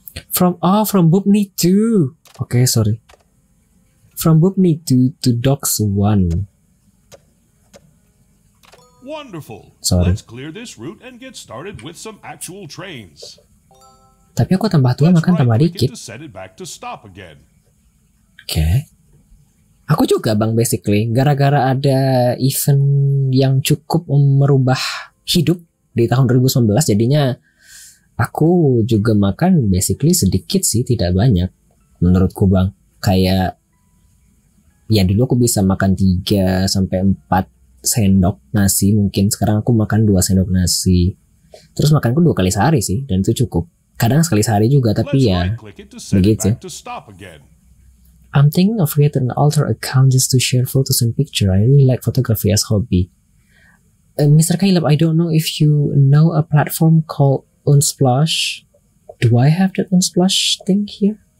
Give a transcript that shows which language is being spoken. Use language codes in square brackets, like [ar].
[en] From Bubny 2. Okay, sorry. From Bubny 2 to Docks 1. Wonderful. Sorry. Let's clear this route and get started with some actual trains. [id] Tapi aku tambah 2 makan tambah dikit. [en] Set it back to stop again. Okay. [id] Aku juga bang basically gara-gara ada event yang cukup merubah hidup di tahun 2019 jadinya aku juga makan basically sedikit sih, tidak banyak. Menurutku bang, kayak ya dulu aku bisa makan 3-4 sendok nasi mungkin. Sekarang aku makan 2 sendok nasi. Terus makanku 2 kali sehari sih, dan itu cukup. Kadang sekali sehari juga, tapi ya begitu. [en] I'm thinking of creating an alter account just to share photos and pictures. I really like photography as a hobby. Mr. Caleb, I don't know if you know a platform called Unsplash. Do I have that Unsplash thing here?